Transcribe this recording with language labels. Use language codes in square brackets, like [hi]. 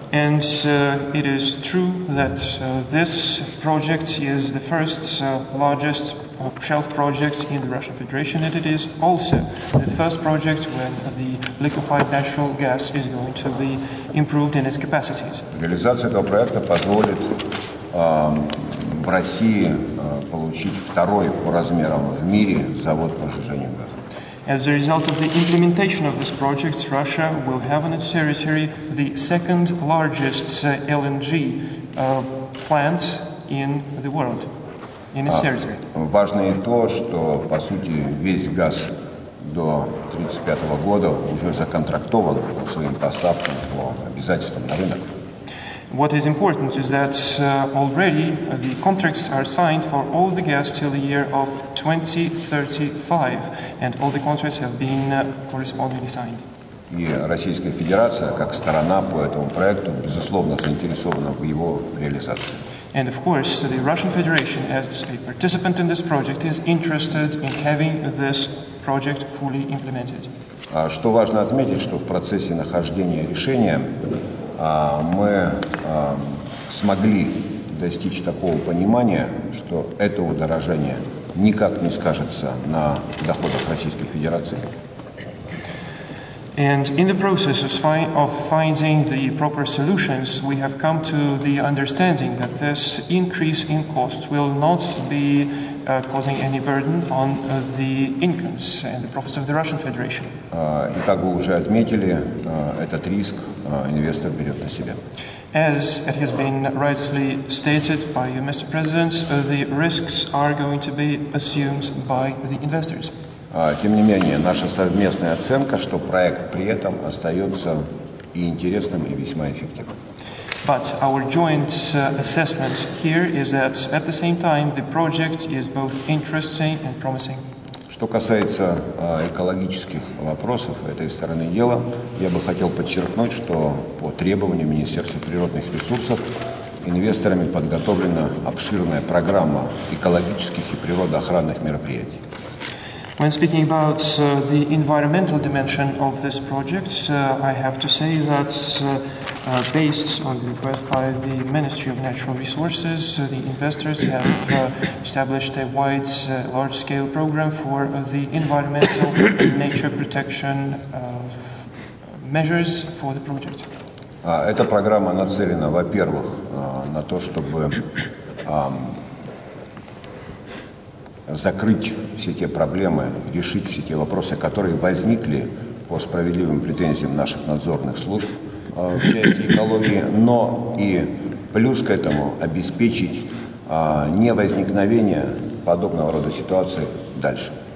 [en] And it is true that this project is the first largest of shelf projects in the Russian Federation, and it is also the first project when the liquefied natural gas is going to be improved in its capacities. [ru] Реализация этого проекта позволит в России получить второй по размерам в мире завод по сжижению газа. [en] As a result of the implementation of this project, Russia will have in its territory the second largest LNG plant in the world. [ru] Важно и то, что, по сути, весь газ до 35 года уже законтрактован по своим поставкам по обязательствам на рынок. [en] What is important is that already the contracts are signed for all the gas till the year of 2035, and all the contracts have been correspondingly signed. [ru] И Российская Федерация, как сторона по этому проекту, безусловно, заинтересована в его реализации. [en] And of course, the Russian Federation, as a participant in this project, is interested in having this project fully implemented. [ru] Что важно отметить, что в процессе нахождения решения мы смогли достичь такого понимания, что это удорожание никак не скажется на доходах Российской Федерации. [en] And in the process of finding the proper solutions, we have come to the understanding that this increase in costs will not be causing any burden on the incomes and the profits of the Russian Federation. [ru] И как вы уже отметили, этот риск инвестор берет на себя. [en] As it has been rightly stated by you, Mr. President, the risks are going to be assumed by the investors. [ru] Тем не менее, наша совместная оценка, что проект при этом остается и интересным, и весьма эффективным. [en] But our joint assessment here is that at the same time the project is both interesting and promising. [ru] Что касается экологических вопросов этой стороны дела, я бы хотел подчеркнуть, что по требованию Министерства природных ресурсов инвесторами подготовлена обширная программа экологических и природоохранных мероприятий. [en] When speaking about the environmental dimension of this project, I have to say that based on the request by the Ministry of Natural Resources, the investors have established a wide, large-scale program for the environmental and nature protection measures for the project. [ru] Эта программа нацелена, во-первых, на то, чтобы закрыть все те проблемы, решить все те вопросы, которые возникли по справедливым претензиям наших надзорных служб в части экологии, но и плюс к этому обеспечить не возникновение подобного рода ситуации дальше.